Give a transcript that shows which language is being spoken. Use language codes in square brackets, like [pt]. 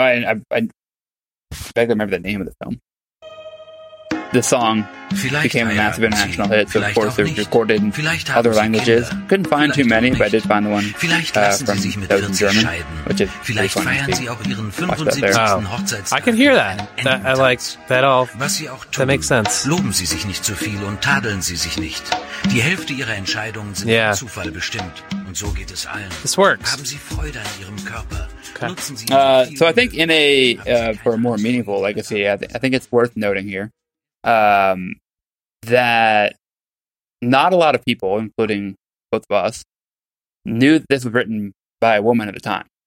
[en] I vaguely remember the name of the film. The song became a massive international hit, so of course it was recorded in other languages. Couldn't find too many, but I did find the one from those in German, which is pretty funny to watch that there. Oh. I can hear that. That makes sense. [de] Loben Sie sich nicht zu viel und tadeln Sie sich nicht. Die Hälfte Ihrer Entscheidungen sind durch Zufall bestimmt. Und so geht es allen. [en] This works. [de] Haben Sie Freude an Ihrem Körper. [en] So I think in a for a more meaningful legacy, I think it's worth noting here. That not a lot of people, including both of us, knew that this was written by a woman at the time.